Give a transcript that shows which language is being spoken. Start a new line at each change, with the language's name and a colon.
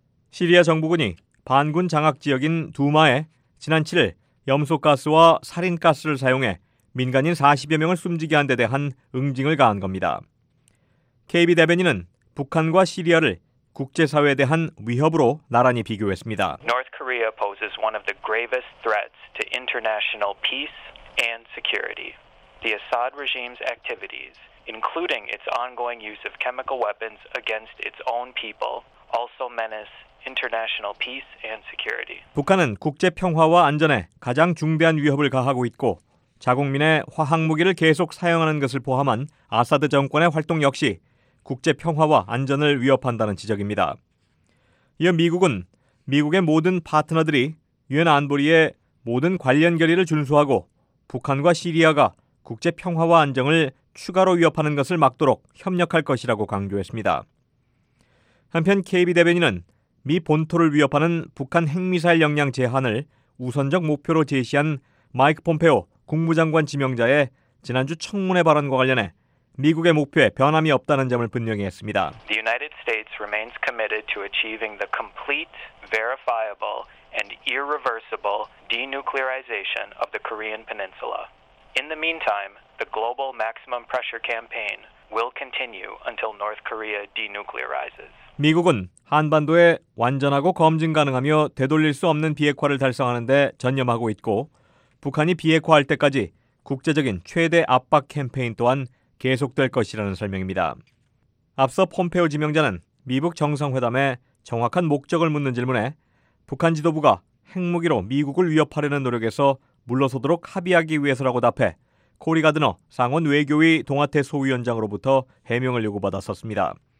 Korean: 시리아 정부군이 반군 장악 지역인 두마에 지난 7일 염소가스와 살인가스를 사용해 민간인 40여 명을 숨지게 한 데 대한 응징을 가한 겁니다. KB 대변인은 북한과 시리아를 국제사회에 대한 위협으로 나란히 비교했습니다.
English: Korea poses one of the gravest threats to international peace and security. The Assad regime's activities, including its ongoing use of chemical weapons against its own people, also menace international peace and security.
Korean: 북한은 국제 평화와 안전에 가장 중대한 위협을 가하고 있고 자국민의 화학 무기를 계속 사용하는 것을 포함한 아사드 정권의 활동 역시 국제 평화와 안전을 위협한다는 지적입니다. 이어 미국은 미국의 모든 파트너들이 유엔 안보리의 모든 관련 결의를 준수하고 북한과 시리아가 국제 평화와 안정을 추가로 위협하는 것을 막도록 협력할 것이라고 강조했습니다. 한편 KB 대변인은 미 본토를 위협하는 북한 핵미사일 역량 제한을 우선적 목표로 제시한 마이크 폼페오 국무장관 지명자의 지난주 청문회 발언과 관련해 미국의 목표에 변함이 없다는 점을 분명히 했습니다.
English: The United States remains committed to achieving the complete, verifiable, and irreversible denuclearization of the Korean Peninsula. In the meantime, the global maximum pressure campaign will continue until North Korea denuclearizes.
Korean: 미국은 한반도의 완전하고 검증 가능하며 되돌릴 수 없는 비핵화를 달성하는 데 전념하고 있고 북한이 비핵화할 때까지 국제적인 최대 압박 캠페인 또한 계속될 것이라는 설명입니다. 앞서 폼페오 지명자는 미북 정상회담에 정확한 목적을 묻는 질문에 북한 지도부가 핵무기로 미국을 위협하려는 노력에서 물러서도록 합의하기 위해서라고 답해 코리 가드너 상원 외교위 동아태 소위원장으로부터 해명을 요구받았었습니다.